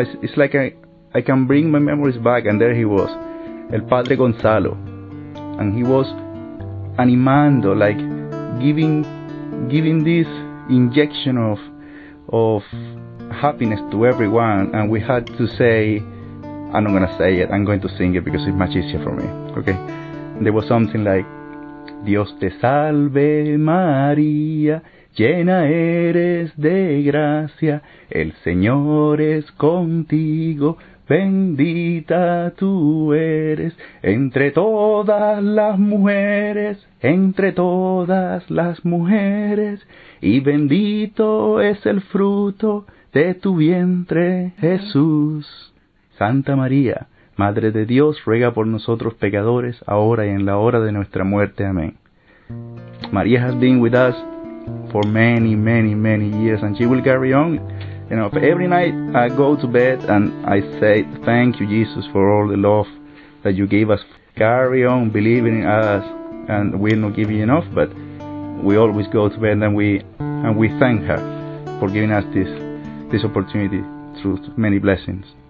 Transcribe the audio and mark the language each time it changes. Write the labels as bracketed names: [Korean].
[English] It's like I can bring my memories back, and there he was, El Padre Gonzalo, and he was [Spanish] animando, [English] like giving this injection of happiness to everyone. And we had to say, I'm not gonna say it. I'm going to sing it because it's much easier for me. Okay. There was something like, [Spanish] Dios te salve, María. Llena eres de gracia, el Señor es contigo, bendita tú eres, entre todas las mujeres, y bendito es el fruto de tu vientre, Jesús. Santa María, Madre de Dios, ruega por nosotros pecadores, ahora y en la hora de nuestra muerte. Amén. [English] María has been with us for many, many, many years, and she will carry on. You know, every night I go to bed and I say, thank you, Jesus, for all the love that you gave us. Carry on believing in us, and we'll not give you enough, but we always go to bed and we thank her for giving us this opportunity through many blessings.